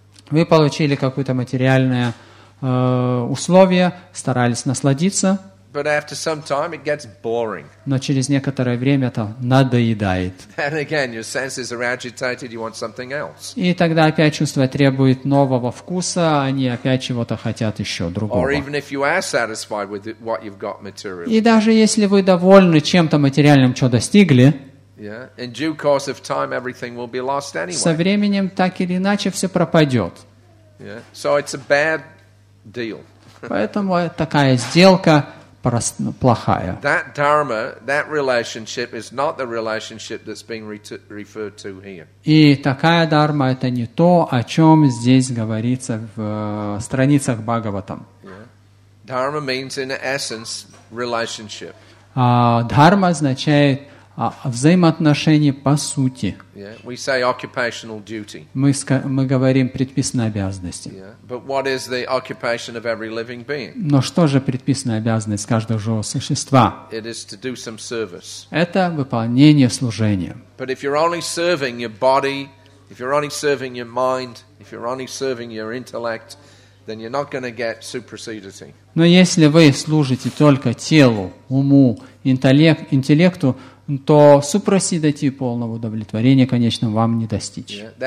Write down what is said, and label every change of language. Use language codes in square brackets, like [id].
[ru] Вы получили какое-то материальное условие, старались насладиться. [en] But after some time it gets boring. [ru] Но через некоторое время это надоедает. [en] And again, your senses are agitated, you want something else. [ru] И тогда опять чувства требуют нового вкуса, они опять чего-то хотят еще другого. [en] Or even if you are satisfied with what you've got material. [ru] И даже если вы довольны чем-то материальным, что достигли, [en] yeah, in due course of time everything will be lost anyway. [ru] Со временем так или иначе все пропадет. [en] Yeah. So it's a bad deal. [ru] Поэтому такая сделка плохая. [en] That dharma, that relationship is not the relationship that's being referred to here. [ru] И такая дхарма – это не то, о чем здесь говорится в страницах Бхагаватам. [en] Yeah. Dharma means in essence relationship. [ru] Дхарма означает взаимоотношения по сути. [en] Yeah. We say occupational duty. [ru] Мы говорим предписанные обязанности. [en] Yeah. But what is the occupation of every living being? [ru] Но что же предписанная обязанность каждого живого существа? [en] It is to do some service. [ru] Это выполнение служения. [en] But if you're only serving your body, if you're only serving your mind, if you're only serving your intellect, then you're not going to get supersedency. [ru] Но если вы служите только телу, уму, интеллекту, то супроседати полного удовлетворения, конечно, вам не достичь.